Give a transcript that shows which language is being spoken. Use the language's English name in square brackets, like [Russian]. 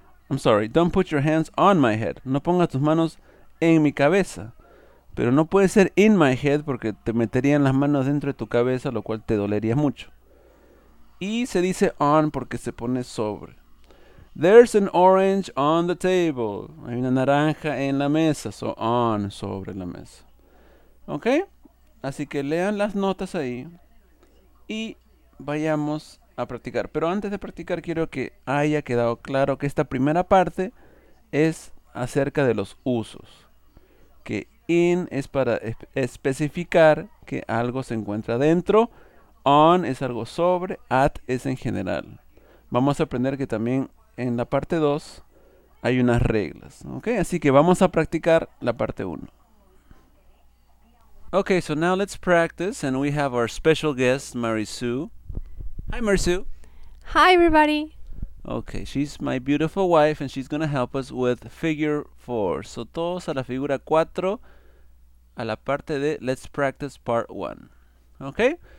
[English] I'm sorry, don't put your hands on my head. [Spanish] No pongas tus manos en mi cabeza. Pero no puede ser [English] in my head [Spanish] porque te meterían las manos dentro de tu cabeza, lo cual te dolería mucho. Y se dice on porque se pone sobre. [English] There's an orange on the table. [Spanish] Hay una naranja en la mesa. [English] So on, [Spanish] sobre la mesa. ¿Ok? Así que lean las notas ahí. Y vayamos a practicar. Pero antes de practicar quiero que haya quedado claro que esta primera parte es acerca de los usos. Que in es para especificar que algo se encuentra dentro. On es algo sobre. At es en general. Vamos a aprender que también en la parte 2 hay unas reglas. ¿Okay? Así que vamos a practicar la parte 1. [English] Ok, so now let's practice and we have our special guest Marisu. Hi, Marisu. Hi, everybody. Okay, she's my beautiful wife, and she's going to help us with figure 4. [Spanish] So, todos a la figura 4, a la parte de [English] Let's Practice Part 1. [Spanish] Okay?